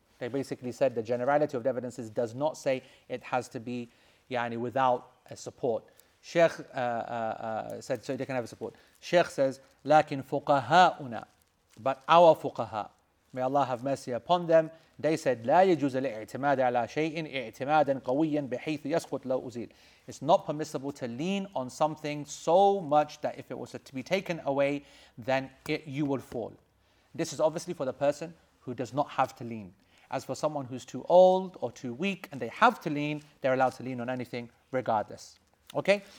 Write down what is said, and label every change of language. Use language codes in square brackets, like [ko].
[en] They basically said the generality of the evidences does not say it has to be yani without a support. Sheikh said, so they can have a support. Sheikh says, [ar] لكن فقهاؤنا, [en] but our [ar] فقهاء, [en] may Allah have mercy upon them, they said, [ar] لا يجوز الاعتماد على شيء اعتمادا قويا بحيث يسقط لو أزيل. [en] It's not permissible to lean on something so much that if it was to be taken away, then you will fall. This is obviously for the person who does not have to lean. As for someone who's too old or too weak and they have to lean, they're allowed to lean on anything regardless. Okay?